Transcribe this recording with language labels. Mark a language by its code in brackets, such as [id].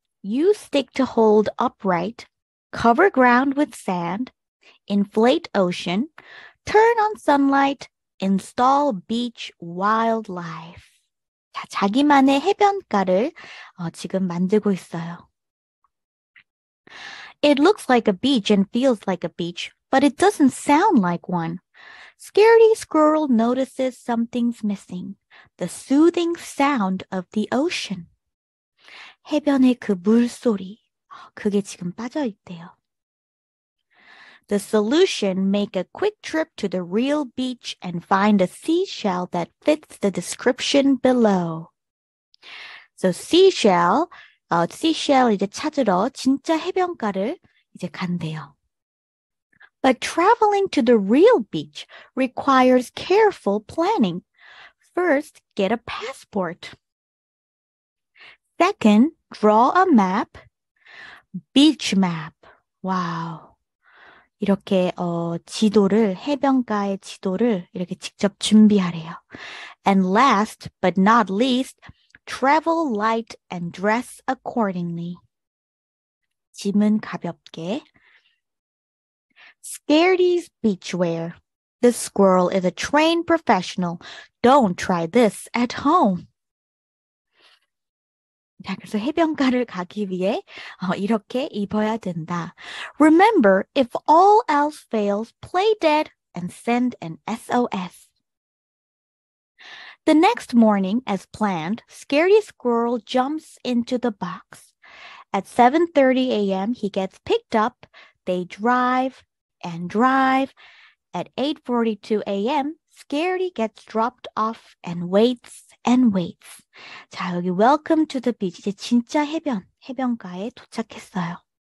[en] Use stick to hold upright. Cover ground with sand. Inflate ocean. Turn on sunlight. Install beach wildlife. [ko] 자, 자기만의 해변가를 지금 만들고 있어요. [en] It looks like a beach and feels like a beach, but it doesn't sound like one. Scaredy Squirrel notices something's missing, the soothing sound of the ocean. [ko] 해변의 그 물소리, 그게 지금 빠져 있대요. [en] The solution: make a quick trip to the real beach and find a seashell that fits the description below. So seashell, seashell [ko] 이제 찾으러 진짜 해변가를 이제 간대요. [en] But traveling to the real beach requires careful planning. First, get a passport. Second, draw a map. Beach map. Wow. [ko] 이렇게 지도를 해변가의 지도를 이렇게 직접 준비하래요. [en] And last but not least, travel light and dress accordingly. [ko] 짐은 가볍게. [en] Scaredy's beachwear. The squirrel is a trained professional. Don't try this at home. [ko] 자, 그래서 해변가를 가기 위해 이렇게 입어야 된다. [en] Remember, if all else fails, play dead and send an SOS. The next morning, as planned, Scaredy Squirrel jumps into the box. At 7:30 a.m., he gets picked up. They drive and drive. At 8:42 a.m., Scaredy gets dropped off and waits. And waits. [ko] 자, 여기 [en] welcome to the beach. [ko] 이제 진짜 해변, 해변가에 도착했어요.